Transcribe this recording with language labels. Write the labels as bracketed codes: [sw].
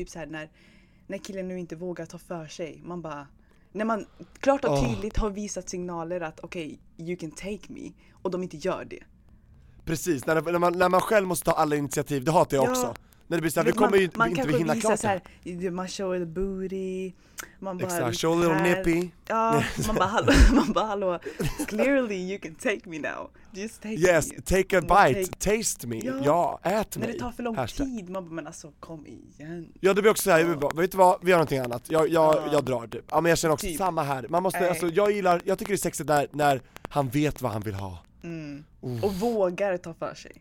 [sv] Typ så här, när killen nu inte vågar ta för sig. Man bara, när man klart och tydligt har visat signaler att okej, okay, [en] you can take me, [sv] och de inte gör det. Precis, när man själv måste ta alla initiativ, det hatar jag också. När det blir så här, vi kommer inte hinna klart. Man kanske visar så här, man [en] show the booty. [sv] Man bara, [en] exakt, show a little nippy. [sv] Ja, man bara, hallå, [en] clearly you can take me now. Just take me. Yes, take a bite, taste me. [sv] Ja, ät mig. När det tar för lång tid, man bara, men alltså, kom igen. Ja, det blir också så här, vet du vad, vi gör någonting annat. Jag drar typ. Ja, men jag känner också typ samma här. Man måste, alltså, jag tycker det är sexigt när han vet vad han vill ha. Och vågar ta för sig.